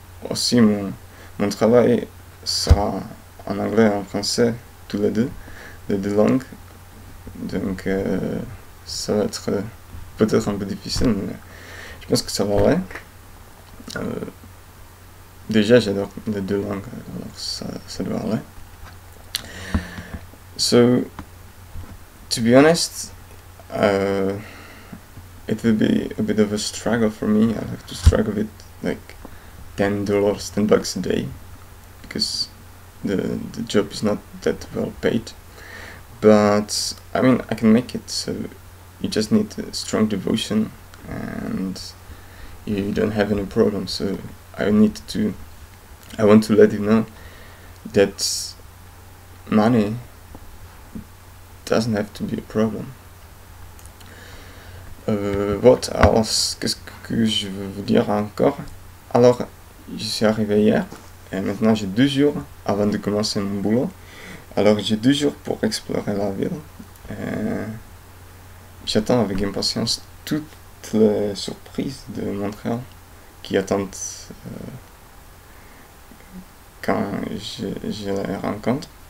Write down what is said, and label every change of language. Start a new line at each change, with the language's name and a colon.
French: Aussi, mon travail sera en anglais et en français, tous les deux, les deux langues. Donc, ça va être peut-être un peu difficile, mais je pense que ça va aller. Déjà, j'adore les deux langues, alors ça doit aller.
English: So, to be honest, it will be a bit of a struggle for me. I have to struggle with like $10, $10 a day, because the job is not that well paid. But I mean, I can make it. So you just need a strong devotion, and you don't have any problems. So I want to let you know that money doesn't have to be a problem. What else?
French: Qu'est-ce que je veux vous dire encore? Alors, je suis arrivé hier et maintenant j'ai 2 jours avant de commencer mon boulot. Alors, j'ai 2 jours pour explorer la ville. J'attends avec impatience toutes les surprises de Montréal qui attendent quand je les rencontre.